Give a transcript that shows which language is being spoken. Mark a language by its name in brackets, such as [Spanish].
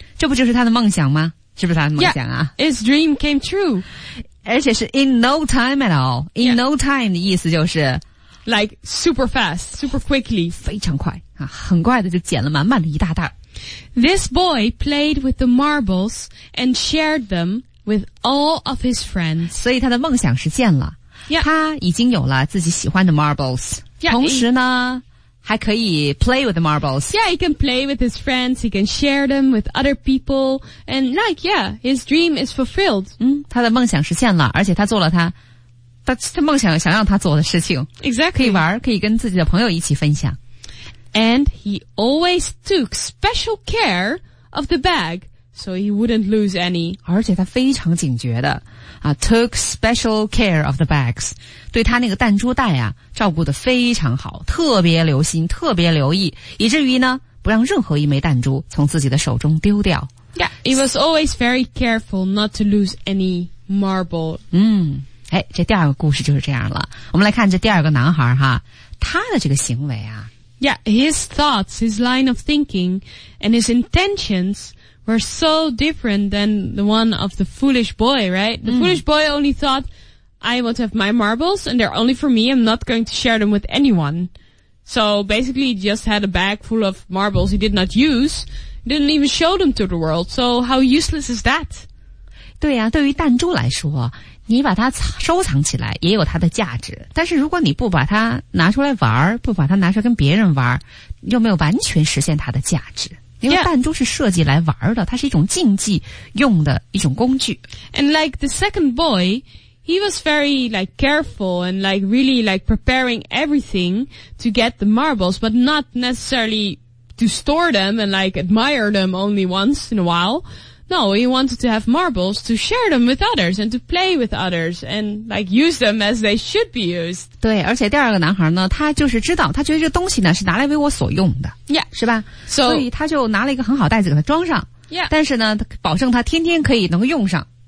[Chinese] 这不就是他的梦想吗是不是他的梦想啊 [English] yeah, His dream came true. [Chinese] 而且是 [English] in no time at all. [Chinese] In、yeah. no time 的意思就是 [English] Like super fast, super quickly. [Chinese] 非常快、啊、很快的就捡了满满的一大袋。 [English] This boy played with the marbles and shared them with all of his friends. [Chinese] 所以他的梦想实现了。 [English] Yeah. [Chinese] 他已经有了自己喜欢的 marbles. [English] Yeah, [Chinese] 同时呢还可以 [English] play with the marbles. Yeah, he can play with his friends, he can share them with other people, and like, yeah, his dream is fulfilled. [Chinese] 嗯他的梦想实现了而且他做了他梦想想让他做的事情。 [English] Exactly. [Chinese] 可以玩可以跟自己的朋友一起分享。 [English] And he always took special care of the bag, so he wouldn't lose any. [Chinese] 而且他非常警觉的、 [English] took special care of the bags. [Chinese] 对他那个弹珠袋啊照顾得非常好特别留心特别留意以至于呢不让任何一枚弹珠从自己的手中丢掉。 [English] Yeah, he was always very careful not to lose any marble. 嗯 [Chinese] 哎，这第二个故事就是这样了。我们来看这第二个男孩哈，他的这个行为啊。 [English] Yeah, his thoughts, his line of thinking, and his intentions were so different than the one of the foolish boy, right? The foolish boy only thought, I want to have my marbles, and they're only for me, I'm not going to share them with anyone. So basically, he just had a bag full of marbles he did not use, didn't even show them to the world. So how useless is that? [Chinese] 对呀、啊、对于弹珠来说你把它收藏起来也有它的价值，但是如果你不把它拿出来玩，不把它拿出来跟别人玩，又没有完全实现它的价值。因为弹珠是设计来玩的，它是一种竞技用的一种工具。 [English] And like the second boy, he was very like careful and like really like preparing everything to get the marbles, but not necessarily to store them and like admire them only once in a while. No, he wanted to have marbles to share them with others and to play with others and like use them as they should be used. [Chinese] 对，而且第二个男孩呢，他就是知道，他觉得这东西呢是拿来为我所用的。 [English] Yeah. [Chinese] 是吧？ [English] So, [Chinese] 所以他就拿了一个很好袋子给他装上。 [English] Yeah. [Chinese] 但是呢，保证他天天可以能用上。